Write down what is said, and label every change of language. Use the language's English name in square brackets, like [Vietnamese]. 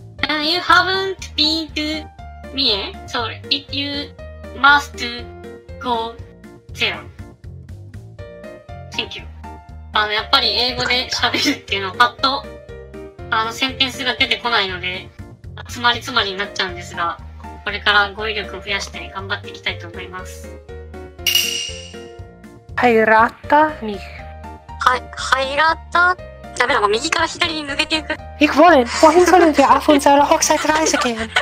[English] You haven't been to Mie, so it, you must go there. Thank you. [Japanese] やっぱり英語で喋るっていうのはパッとセンテンスが出てこないので、詰まりになっちゃうんですが、これから語彙力を増やして頑張っていきたいと思います。はい、ラッタミ。 [German] Ich wollte, wohin sollen wir auf unserer Hochzeitreise gehen?